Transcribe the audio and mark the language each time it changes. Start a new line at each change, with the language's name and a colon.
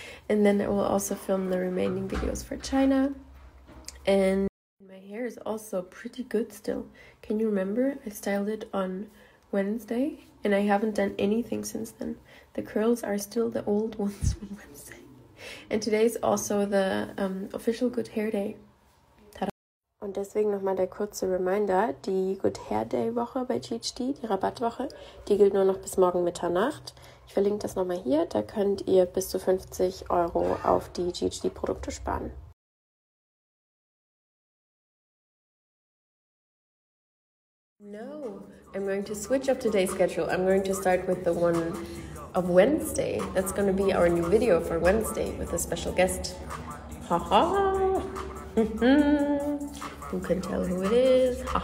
English: And then I will also film the remaining videos for China. And my hair is also pretty good still. Can you remember? I styled it on Wednesday and I haven't done anything since then. The curls are still the old ones from Wednesday. And today is also the official good hair day.
German: Und deswegen nochmal der kurze Reminder, die Good Hair Day Woche bei GHD, die Rabattwoche, die gilt nur noch bis morgen Mitternacht. Ich verlinke das nochmal hier, da könnt ihr bis zu 50 Euro auf die GHD Produkte sparen.
English: No, I'm going to switch up today's schedule. I'm going to start with the one of Wednesday. That's going to be our new video for Wednesday with a special guest. Ha ha ha! Who can tell who it is?